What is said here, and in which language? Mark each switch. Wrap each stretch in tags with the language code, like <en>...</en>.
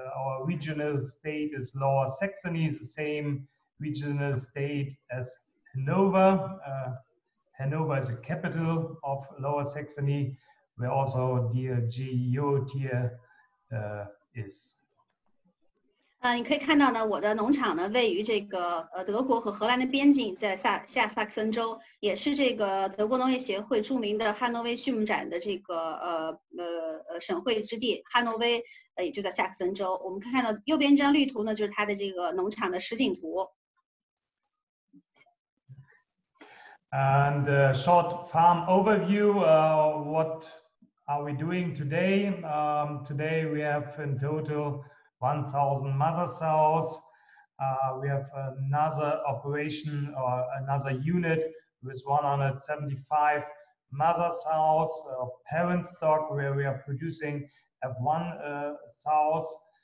<en>Our regional state is Lower Saxony, the same regional state as Hanover. Hanover is the capital of Lower Saxony, where also DLG EuroTier is.</en> <zh>你可以看到呢，我的农场呢位于这个德国和荷兰的边境，在下萨克森州，也是这个德国农业协会著名的汉诺威畜牧展的这个省会之地。汉诺威也就在下萨克森州。我们可以看到右边这张绿图呢，就是它的这个农场的实景图。</zh> <en>And a short farm overview, what are we doing today? Today we have in total 1,000 mother sows. We have another operation or another unit with 175 mother sows, parent stock, where we are producing F1 sows.</en>